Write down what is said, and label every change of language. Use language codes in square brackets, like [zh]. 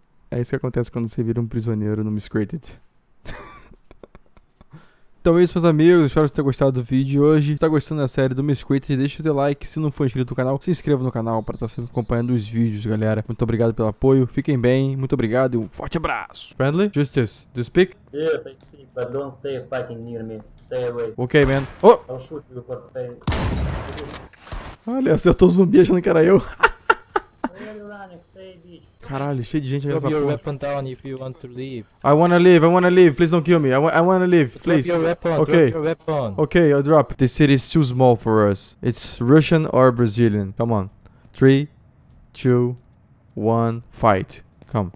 [pt] É isso que acontece quando você vira um prisioneiro no Miscreated. Então é isso, meus amigos, espero que você tenha gostado do vídeo de hoje. Se está gostando da série do Miscreated, deixa o seu like. Se não for inscrito no canal, se inscreva no canal para estar sempre acompanhando os vídeos, galera. Muito obrigado pelo apoio, fiquem bem, muito obrigado e um forte abraço. [en] Friendly? Justice, do you speak? Yes, I speak, but don't stay fucking near me. Stay away. Ok, man. Oh! I'll shoot you for fame. [pt] Olha, acertou o zumbi achando que era eu. Caralho, cheio de gente [en] aí. Drop your weapon down if you want to leave. I wanna leave, I wanna leave. Please don't kill me. I wanna leave, please. Drop your weapon, okay. Drop your weapon. Okay, I'll drop. This city is too small for us. It's Russian or Brazilian. Come on. 3, 2, 1, fight. Come.